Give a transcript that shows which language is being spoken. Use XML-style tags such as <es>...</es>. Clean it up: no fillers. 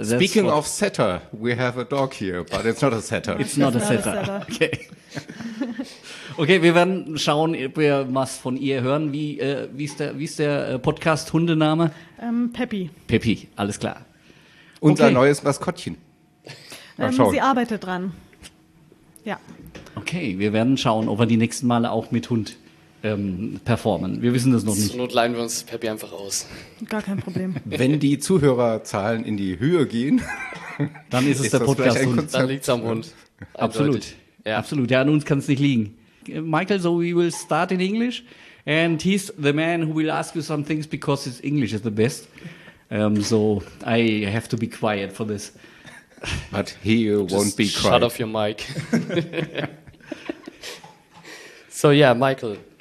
<en>Speaking of Setter, we have a dog here, but it's not a Setter. It's not a Setter.</en> <de>Okay. Okay, wir werden schauen, ob wir was von ihr hören. Wie ist der Podcast-Hundename? Peppi. Peppi, alles klar. Unser okay. Neues Maskottchen. Mal schauen. Sie arbeitet dran. Ja. Okay, wir werden schauen, ob wir die nächsten Male auch mit Hund performen. Wir wissen das noch nicht. Zur Not leihen wir uns Peppi einfach aus. Gar kein Problem. Wenn die Zuhörerzahlen in die Höhe gehen, dann ist es ist der Podcast-Hund. Dann liegt es am Hund. Eindeutig. Absolut. Ja. Absolut. Ja, an uns kann es nicht liegen.</de> <en>Michael, so we will start in English. And he's the man who will ask you some things because his English is the best. So I have to be quiet for this. But he won't be quiet. Shut off your mic. So yeah, Michael.</en>